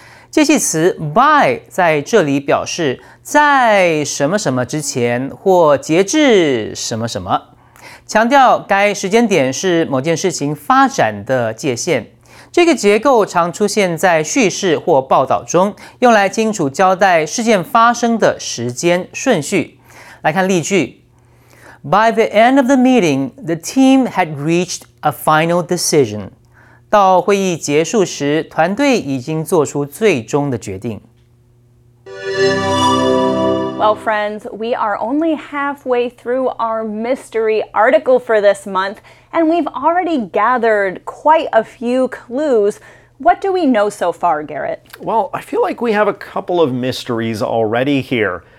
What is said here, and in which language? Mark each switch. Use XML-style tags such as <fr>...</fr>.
<zh>介系词 by 在这里表示在什么什么之前或截至什么什么，强调该时间点是某件事情发展的界限。这个结构常出现在叙事或报道中，用来清楚交代事件发生的时间顺序。来看例句。</zh> <en>By the end of the meeting, the team had reached a final decision.</en> <zh>到会议结束时，团队已经做出最终的决定。</zh> <en>Well, friends, we are only halfway through our mystery article for this month, and we've already gathered quite a few clues. What do we know so far, Garrett? Well, I feel like we have a couple of mysteries already here.</en>